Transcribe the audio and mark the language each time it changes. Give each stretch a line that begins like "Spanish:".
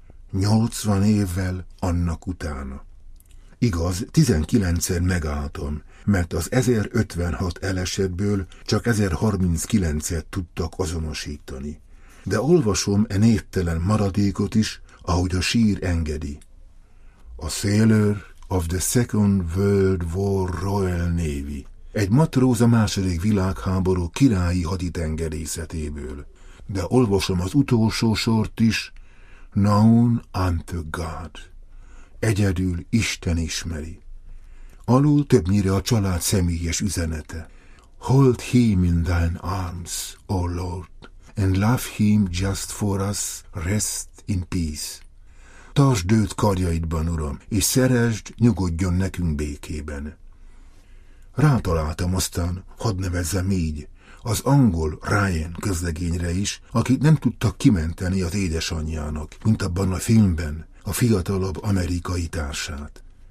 Hungarian: 80 évvel annak utána. Igaz, 19-szer megálltam, mert az 1056 elesetből csak 1039-et tudtak azonosítani. De olvasom e névtelen maradékot is, ahogy a sír engedi.
English: A Sailor of the Second World War Royal Navy.
Hungarian: Egy matróz a második világháború királyi haditengerészetéből. De olvasom az utolsó sort is,
English: Known unto God.
Hungarian: Egyedül Isten ismeri. Alul többnyire a család személyes üzenete.
English: Hold him in thine arms, O Lord, and love him just for us, rest in peace.
Hungarian: Tartsd őt karjaidban, Uram, és szeresd, nyugodjon nekünk békében. Rátaláltam aztán, hadd nevezzem így, az angol Ryan közlegényre is, akit nem tudtak kimenteni az édesanyjának, mint abban a filmben, a fiatalabb amerikai társát.